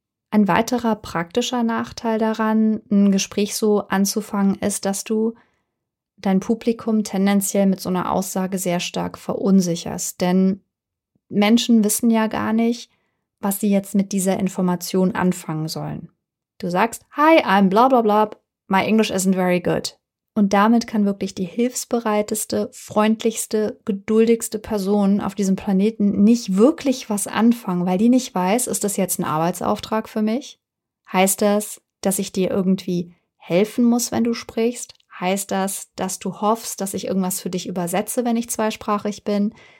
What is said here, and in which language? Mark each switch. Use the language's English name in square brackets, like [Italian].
[German] Ein weiterer praktischer Nachteil daran, ein Gespräch so anzufangen, ist, dass du dein Publikum tendenziell mit so einer Aussage sehr stark verunsicherst. Denn Menschen wissen ja gar nicht, was sie jetzt mit dieser Information anfangen sollen. Du sagst, [English] hi, I'm bla bla bla, my English isn't very good. [German] Und damit kann wirklich die hilfsbereiteste, freundlichste, geduldigste Person auf diesem Planeten nicht wirklich was anfangen, weil die nicht weiß, ist das jetzt ein Arbeitsauftrag für mich? Heißt das, dass ich dir irgendwie helfen muss, wenn du sprichst? Heißt das, dass du hoffst, dass ich irgendwas für dich übersetze, wenn ich zweisprachig bin?